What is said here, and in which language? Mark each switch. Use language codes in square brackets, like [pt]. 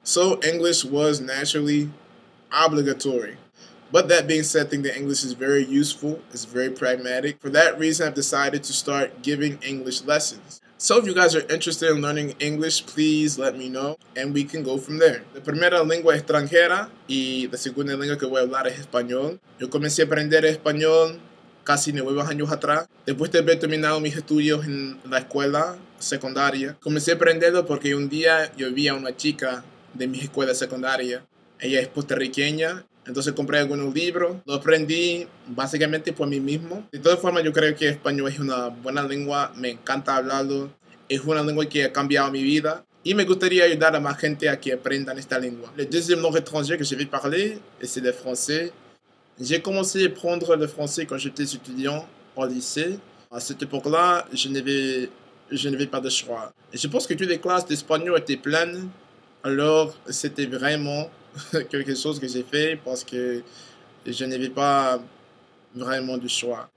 [en] So English was naturally obligatory. But that being said, I think that English is very useful. It's very pragmatic. For that reason, I've decided to start giving English lessons. So if you guys are interested in learning English, please let me know, and we can go from there. [es] La primera lengua extranjera y la segunda lengua que voy a hablar es español. Yo comencé a aprender español casi 9 años atrás. Después de haber terminado mis estudios en la escuela secundaria, comencé a aprenderlo porque un día yo vi a una chica de mi escuela secundaria. Ella es puertorriqueña. Entonces compré algunos libros, lo aprendí básicamente por mí mismo. De todas formas, yo creo que español es una buena lengua, me encanta hablarlo. Es una lengua que ha cambiado mi vida y me gustaría ayudar a más gente a que aprendan esta lengua. [fr] Le deuxième langue étrangère que je vais parler, c'est le français. J'ai commencé à apprendre le français quand j'étais étudiant au lycée. À cette époque-là, je n'avais pas de choix. Et je pense que toutes les classes d'espagnol étaient pleines, alors c'était vraiment quelque chose que j'ai fait parce que je n'avais pas vraiment du choix.